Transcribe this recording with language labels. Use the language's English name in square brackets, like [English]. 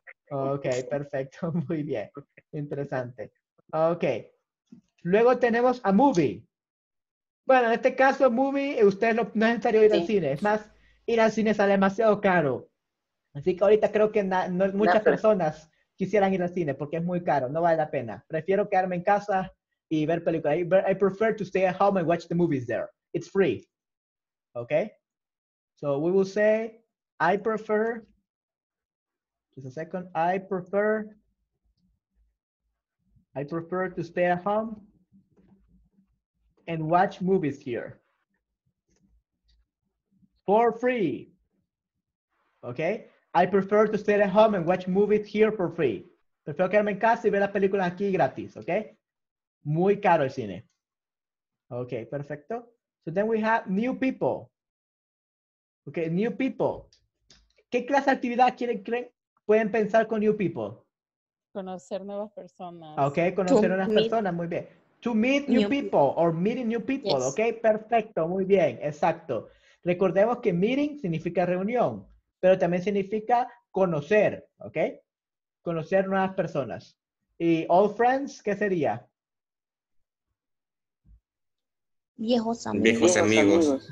[Spanish] Ok, perfecto. Muy bien. Interesante. Ok. Luego tenemos a movie. Bueno, en este caso, movie, ustedes no es necesario ir sí. Al cine. Es más, ir al cine sale demasiado caro. Así que ahorita creo que muchas personas quisieran ir al cine porque es muy caro. No vale la pena. Prefiero quedarme en casa y ver películas. [English] I prefer to stay at home and watch the movies there. It's free. Okay? So we will say, I prefer, just a second, I prefer to stay at home and watch movies here for free. Okay? I prefer to stay at home and watch movies here for free. [Spanish] Prefiero quedarme en casa y ver las películas aquí gratis, okay? Muy caro el cine. Okay, perfecto. So [English] So then we have new people. Okay, new people. [Spanish] ¿Qué clase de actividad pueden pensar con new people? Conocer nuevas personas. Okay, conocer nuevas personas, muy bien. [English] To meet new people or meeting new people, yes. [Spanish] Okay, perfecto, muy bien, exacto. Recordemos que meeting significa reunión, pero también significa conocer, okay? Conocer nuevas personas. ¿Y old friends qué sería? Viejos amigos. Viejos amigos.